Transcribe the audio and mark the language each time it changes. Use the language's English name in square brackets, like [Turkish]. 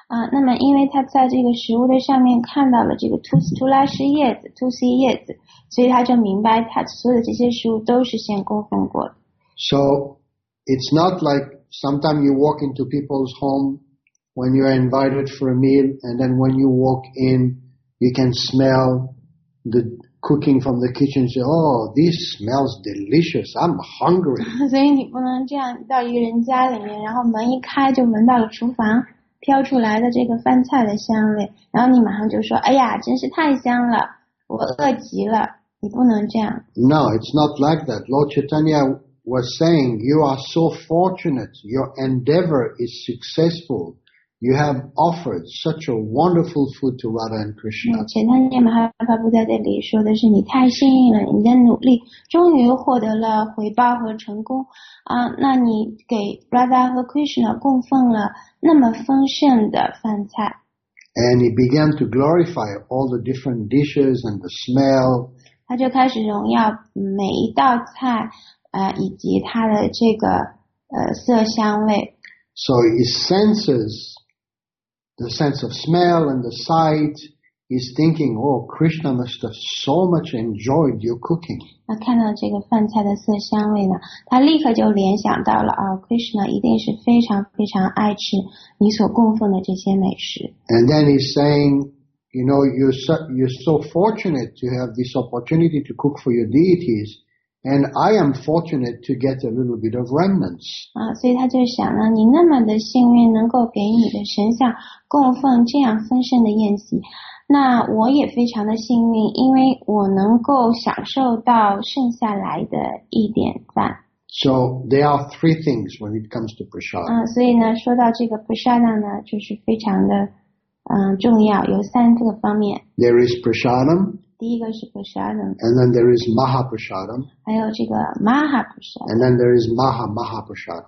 [Chinese] 那么因为他在这个食物的上面看到了这个tulsi叶子，所以他就明白他所有的这些食物都是先供奉过的。 [English] So it's not like sometimes you walk into people's home when you are invited for a meal, and then when you walk in, you can smell the cooking from the kitchen. Say, "Oh, this smells delicious. I'm hungry." [Chinese] 所以你不能这样到一个人家里面，然后门一开就闻到了厨房。飘出来的这个饭菜的香味，然后你马上就说：“哎呀，真是太香了，我饿极了。” 你不能这样。 [English] No, it's not like that. Lord Chaitanya was saying, "You are so fortunate. Your endeavor is successful. You have offered such a wonderful food to Radha and Krishna." [Chinese] 前段时间马哈巴布在这里说的是：“你太幸运了，你的努力终于获得了回报和成功啊！那你给 Radha 和 Krishna 供奉了。” 那么丰盛的饭菜。 [English] And he began to glorify all the different dishes and the smell. [Chinese] 他就开始荣耀每一道菜，以及它的这个色香味。 [English] So his senses, the sense of smell and the sight, he's thinking, oh, Krishna must have so much enjoyed your cooking. [Chinese] 那看到这个饭菜的色香味呢，他立刻就联想到了，哦，Krishna一定是非常非常爱吃你所供奉的这些美食。 [English] And then he's saying, you know, you're so fortunate to have this opportunity to cook for your deities, and I am fortunate to get a little bit of remnants. [Chinese] 啊，所以他就想呢，你那么的幸运能够给你的神像供奉这样丰盛的宴席。那我也非常的幸运，因为我能够享受到剩下来的一点赞。 [English] So there are three things when it comes to prasadam. [Chinese] 所以呢，说到这个 prasadam 呢，就是非常的重要，有三个方面。 [English] There is prasadam. [Chinese] 第一个是 prasadam. [English] And then there is mahaprasadam. [Chinese] 还有这个 mahaprasadam. [English] And then there is mahamahaprasadam.